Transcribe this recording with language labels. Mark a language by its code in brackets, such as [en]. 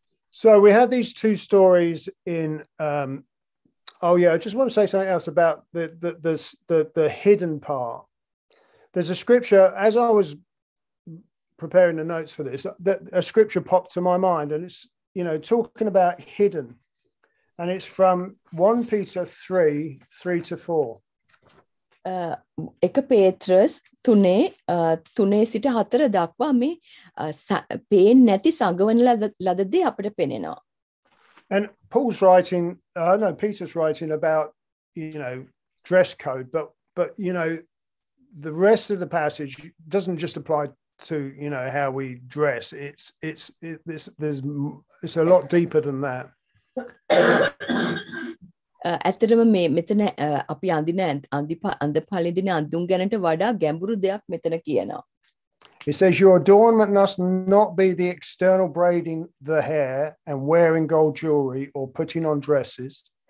[en] So we have these two stories in I just want to say something else about the hidden part. There's a scripture, as I was preparing the notes for this, that a scripture popped to my mind, and it's, you know, talking about hidden, and it's from 1 Peter 3:3 to 4. [si] එක පේත්‍රස් 3:3 සිට 4 දක්වා මේ පේන්නේ නැති සංගවණ ලද දේ අපිට පෙනෙනවා. [en] And Paul's writing, Peter's writing about, you know, dress code, but you know, the rest of the passage doesn't just apply to, you know, how we dress. It's a lot deeper than that. [si] ඇත්තටම මේ මෙතන අපි අඳින අඳ පළඳින අඳුන් ගැනට වඩා ගැඹුරු දෙයක් මෙතන කියනවා. [en] It says your adornment must not be the external braiding the hair and wearing gold jewelry or putting on dresses.